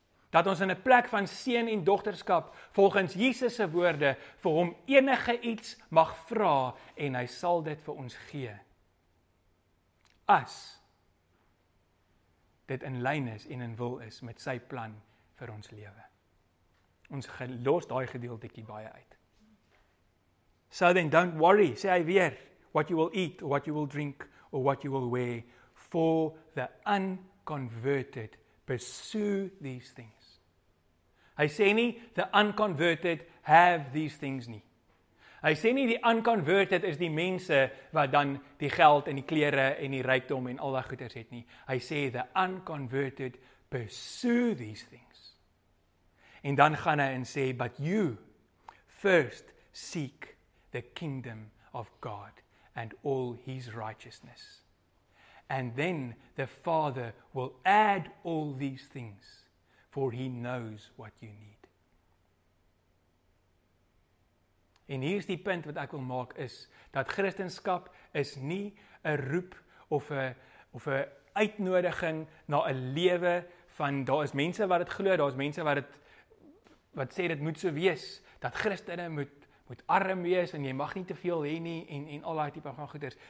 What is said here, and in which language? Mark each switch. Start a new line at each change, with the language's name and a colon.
Afrikaans: Dat ons in 'n plek van seun en dogterskap volgens Jesus se woorde vir hom enige iets mag vra en hy sal dit vir ons gee. As dit in lyn is en in wil is met sy plan vir ons lewe. Ons los daai gedeeltetjie baie uit.
English: So then don't worry,
Afrikaans: sê hy weer,
English: what you will eat, what you will drink, or what you will wear, for the unconverted pursue these things.
Afrikaans: Hy sê nie,
English: the unconverted have these things nie.
Afrikaans: Hy sê nie, die unconverted is die mense wat dan die geld en die klere en die rykdom en al die goeders het nie. Hy sê,
English: the unconverted pursue these things.
Afrikaans: En dan gaan hy en sê,
English: but you first seek the kingdom of God and all his righteousness. And then the Father will add all these things, for he knows what you need.
Afrikaans: En hier is die punt wat ek wil maak, is dat Christenskap is nie 'n roep of 'n uitnodiging na 'n lewe van, daar is mense wat dit glo, daar is mense wat dit, wat sê dit moet so wees, dat Christene moet arm wees, en jy mag nie te veel hê nie, en al die tipe van goeders.